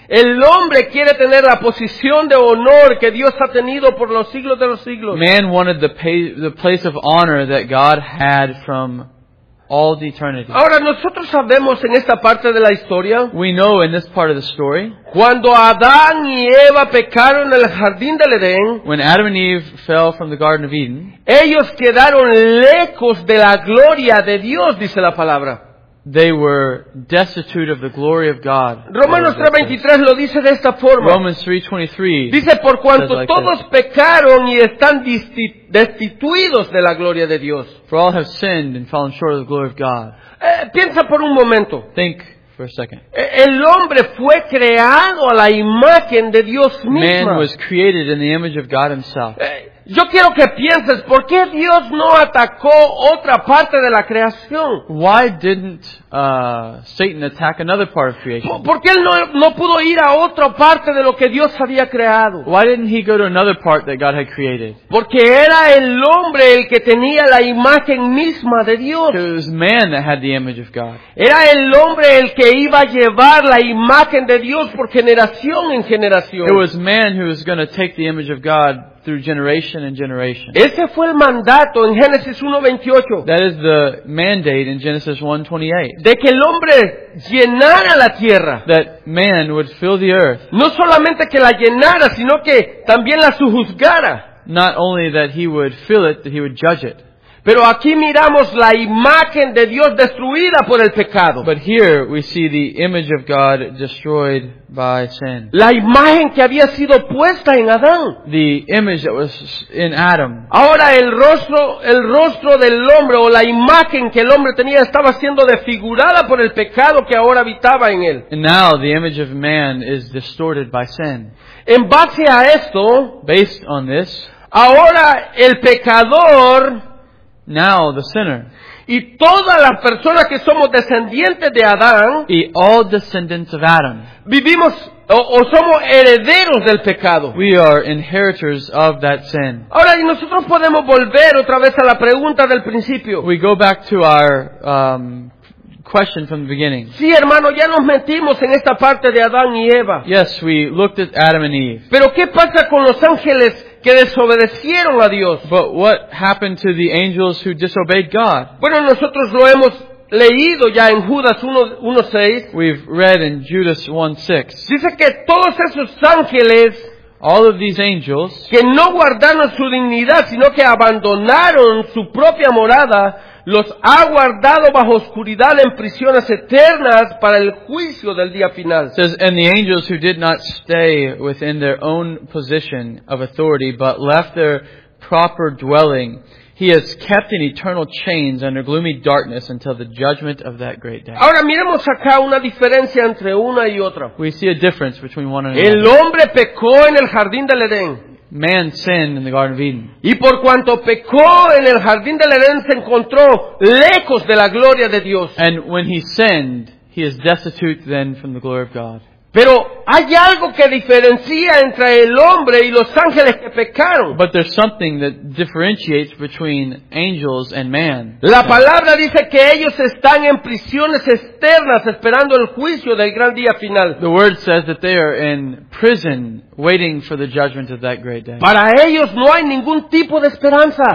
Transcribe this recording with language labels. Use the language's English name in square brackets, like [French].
[Spanish] El hombre quiere tener la posición de honor que Dios ha tenido por los siglos de los siglos. [English] Man wanted the place of honor that God had from all the eternity. [Spanish] Ahora nosotros sabemos en esta parte de la historia, [English] we know in this part of the story, [Spanish] cuando Adán y Eva pecaron en el jardín del Edén, [English] when Adam and Eve fell from the Garden of Eden, [Spanish] ellos quedaron lejos de la gloria de Dios, dice la palabra. [English] They were destitute of the glory of God. [Spanish] Romanos 3:23 lo dice de esta forma. [English] Romans 3:23 [Spanish] dice, por cuanto like todos this. Pecaron y están destituidos de la gloria de Dios. [English] For all have sinned and fallen short of the glory of God. [Spanish] Piensa por un momento. [English] Think for a second. [Spanish] El hombre fue creado a la imagen de Dios mismo. [English] Man was created in the image of God himself. [Spanish] Yo quiero que pienses, ¿por qué Dios no atacó otra parte de la creación? [English] Why didn't Satan attack another part of creation? [Spanish] ¿Por qué él no pudo ir a otra parte de lo que Dios había creado? [English] Why didn't he go to another part that God had created? [Spanish] Porque era el hombre el que tenía la imagen misma de Dios. [English] Because it was man that had the image of God. [Spanish] Era el hombre el que iba a llevar la imagen de Dios por generación en generación. [English] It was man who was going to take the image of God through generation and generation. [Spanish] Ese fue el mandato en Génesis 1:28. [English] That is the mandate in Genesis 1:28. [Spanish] De que el hombre llenara la tierra. [English] That man would fill the earth. [Spanish] No solamente que la llenara, sino que también la sojuzgara. [English] Not only that he would fill it, that he would judge it. [Spanish] Pero aquí miramos la imagen de Dios destruida por el pecado. [English] But here we see the image of God destroyed by sin. [Spanish] La imagen que había sido puesta en Adán. [English] The image that was in Adam. [Spanish] Ahora el rostro del hombre, o la imagen que el hombre tenía, estaba siendo desfigurada por el pecado que ahora habitaba en él. [English] And now the image of man is distorted by sin. [Spanish] En base a esto, [English] based on this, [Spanish] ahora el pecador, [English] now the sinner, [Spanish] y toda la persona que somos descendientes de Adán, [English] y all descendants of Adam, [Spanish] vivimos o somos herederos del pecado. [English] We are inheritors of that sin. [Spanish] Ahora, y nosotros podemos volver otra vez a la pregunta del principio. [English] We go back to our question from the beginning. [Spanish] Sí, hermano, ya nos metimos en esta parte de Adán y Eva. [English] Yes, we looked at Adam and Eve. [Spanish] Pero ¿qué pasa con los ángeles que desobedecieron a Dios? [English] But what happened to the angels who disobeyed God? [Spanish] Bueno, nosotros lo hemos leído ya en Judas 1:6. [English] We've read in Judas 1:6. [Spanish] Dice que todos esos ángeles, [English] all of these angels, [Spanish] que no guardaron su dignidad, sino que abandonaron su propia morada, los ha guardado bajo oscuridad en prisiones eternas para el juicio del día final. [English] It says, and the angels who did not stay within their own position of authority, but left their proper dwelling, he has kept in eternal chains under gloomy darkness until the judgment of that great day. [Spanish] Ahora miremos acá una diferencia entre una y otra. [English] We see a difference between one and another. [Spanish] El hombre pecó en el jardín del Edén. [English] Man sinned in the Garden of Eden. [Spanish] Y por cuanto pecó en el jardín del Edén, se encontró lejos de la gloria de Dios. [English] And when he sinned, he is destitute then from the glory of God. [Spanish] Pero hay algo que diferencia entre el hombre y los ángeles que pecaron. [English] But there's something that differentiates between angels and man. [Spanish] La palabra dice que ellos están en prisiones externas esperando el juicio del gran día final. [English] The word says that they are in prison waiting for the judgment of that great day. [Spanish] Para ellos no hay ningún tipo de esperanza.